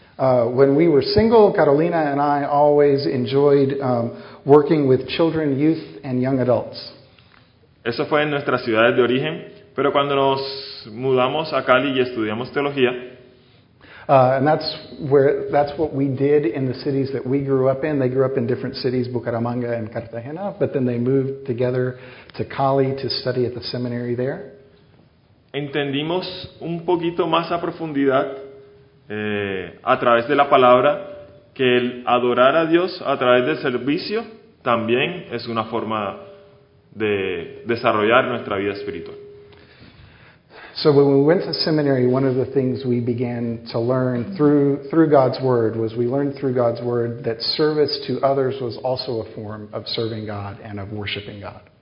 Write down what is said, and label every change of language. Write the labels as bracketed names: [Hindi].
[English] When we were single, Carolina and I always enjoyed working with children, youth, and young adults. [Spanish] Eso fue en nuestras ciudades de origen, pero cuando nos mudamos a Cali y estudiamos teología. [English] And that's what we did in the cities that we grew up in. They grew up in different cities, Bucaramanga and Cartagena, but then they moved together to Cali to study at the seminary there. [Spanish] Entendimos un poquito más a profundidad a través de la palabra que el adorar a Dios a través del servicio también es una forma de desarrollar nuestra vida espiritual. [English] So when we went to seminary, one of the things we began to learn through God's word was we learned through God's word that service to others was also a form of serving God and of worshiping God.